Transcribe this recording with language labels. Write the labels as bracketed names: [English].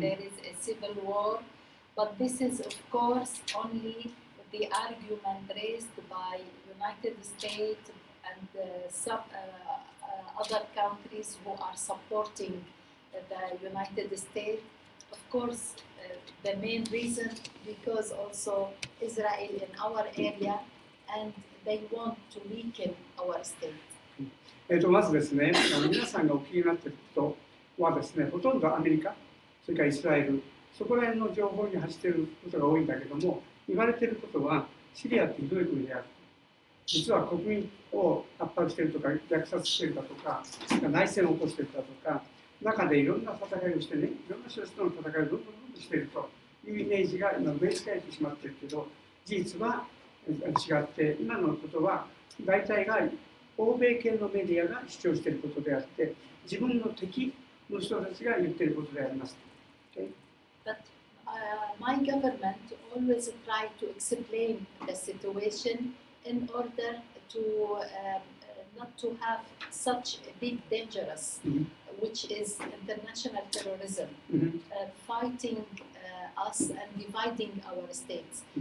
[English] There is a civil war, but this is of course only the argument raised by United States and some other countries who are supporting the United States. Of course, the main reason, because also Israel in our area, and they want to weaken our state. [Japanese] まずですね、皆さんがお気になっていることはですね、ほとんどアメリカ、それからイスラエル、そこら辺の情報に走っていることが多いんだけども、言われていることは、シリアってひどい国である。実は国民を圧迫しているとか、虐殺しているだとか、それから内戦を起こしているだとか、中でいろんな戦いをしてね、いろんな人たちとの戦いをどんどんしているというイメージが今、植え付けられてしまっているけど、事実は違って、今のことは大体が欧米系のメディアが主張していることであって、自分の敵の人たちが言っていることであります。 [English] Okay? But, my government always try to explain the situation in order to, not to have such a big dangerous.、Mm-hmm. which is international terrorism, mm-hmm. Fighting us and dividing our states.